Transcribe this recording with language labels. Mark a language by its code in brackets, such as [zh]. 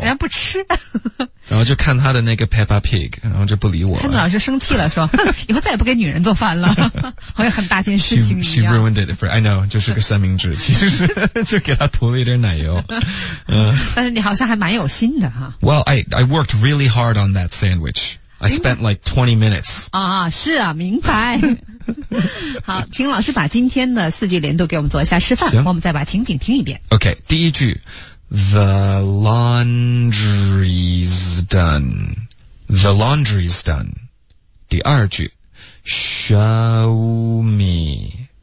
[zh] 人家不吃，然后就看他的那个 Peppa Pig， 然后就不理我了。汉老师生气了，说以后再也不给女人做饭了，好像很大件事情一样。 [en] She ruined it for I know， [zh] 就是个三明治，其实是就给他涂了一点奶油。但是你好像还蛮有心的哈。 [en] Well, I worked really hard on that sandwich. I spent like 20 minutes. [zh] 啊，是啊，明白。好，请老师把今天的四句连读给我们做一下示范，行，我们再把情景听一遍。 [en] OK, [zh] 第一句 [en] The laundry's done. The laundry's done. [zh] 第二句 [en] Show me.